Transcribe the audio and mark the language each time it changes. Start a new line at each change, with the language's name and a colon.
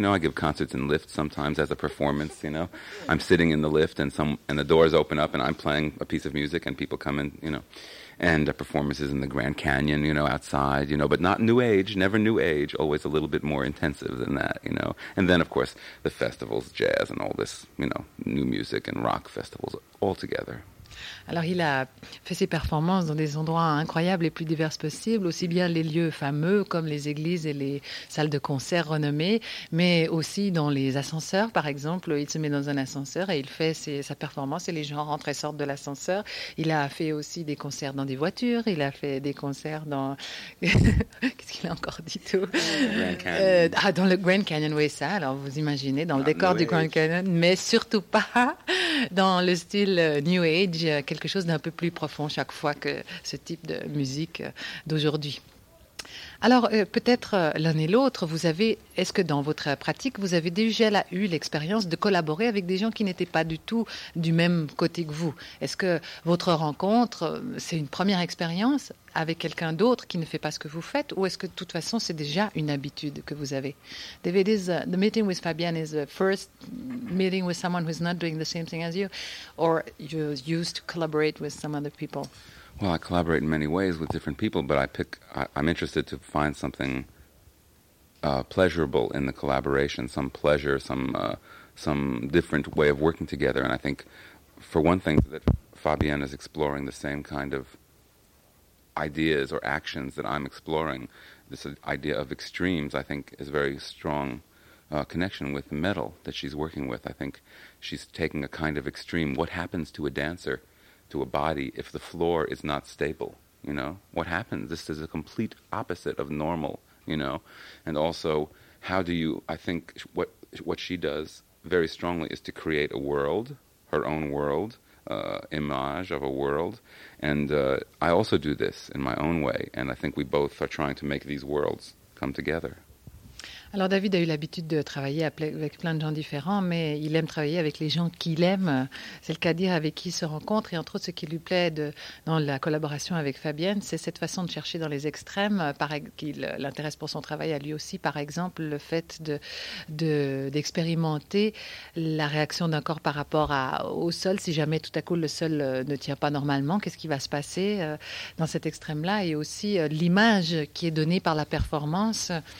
English: You know, I give concerts in lifts sometimes as a performance. You know, I'm sitting in the lift and the doors open up and I'm playing a piece of music and people come in. You know. And performances in the Grand Canyon, you know, outside, you know, but not New Age, never New Age, always a little bit more intensive than that, you know. And then, of course, the festivals, jazz and all this, you know, new music and rock festivals all together.
French: Alors, il a fait ses performances dans des endroits incroyables et plus divers possibles, aussi bien les lieux fameux comme les églises et les salles de concert renommées, mais aussi dans les ascenseurs, par exemple. Il se met dans un ascenseur et il fait sa performance et les gens rentrent et sortent de l'ascenseur. Il a fait aussi des concerts dans des voitures, il a fait des concerts dans... Qu'est-ce qu'il a encore dit tout ? Dans le Grand Canyon, oui, ça. Alors, vous imaginez, dans le décor du Grand Canyon, mais surtout pas dans le style New Age, quelque chose d'un peu plus profond chaque fois que ce type de musique d'aujourd'hui. Alors, peut-être l'un et l'autre, est-ce que dans votre pratique, vous avez déjà eu l'expérience de collaborer avec des gens qui n'étaient pas du tout du même côté que vous? Est-ce que votre rencontre, c'est une première expérience avec quelqu'un d'autre qui ne fait pas ce que vous faites, ou est-ce que de toute façon, c'est déjà une habitude que vous avez?
English: David, the meeting with Fabian is the first meeting with someone who's not doing the same thing as you, or you used to collaborate with some other people? Well, I collaborate in many ways with different people, but I'm interested to find something pleasurable in the collaboration, some pleasure, some different way of working together. And I think, for one thing, that Fabienne is exploring the same kind of ideas or actions that I'm exploring. This idea of extremes, I think, is a very strong connection with the metal that she's working with. I think she's taking a kind of extreme. What happens to a dancer, to a body, if the floor is not stable? You know, what happens? This is a complete opposite of normal, you know. And also, how do you, I think what she does very strongly is to create a world, her own world, image of a world. And I also do this in my own way, and I think we both are trying to make these worlds come together.
French: Alors David a eu l'habitude de travailler avec plein de gens différents, mais il aime travailler avec les gens qu'il aime, c'est le cas de dire avec qui il se rencontre, et entre autres ce qui lui plaît dans la collaboration avec Fabienne, c'est cette façon de chercher dans les extrêmes, qui l'intéresse pour son travail à lui aussi, par exemple le fait d'expérimenter la réaction d'un corps par rapport au sol, si jamais tout à coup le sol ne tient pas normalement, qu'est-ce qui va se passer dans cet extrême-là, et aussi l'image qui est donnée par la performance.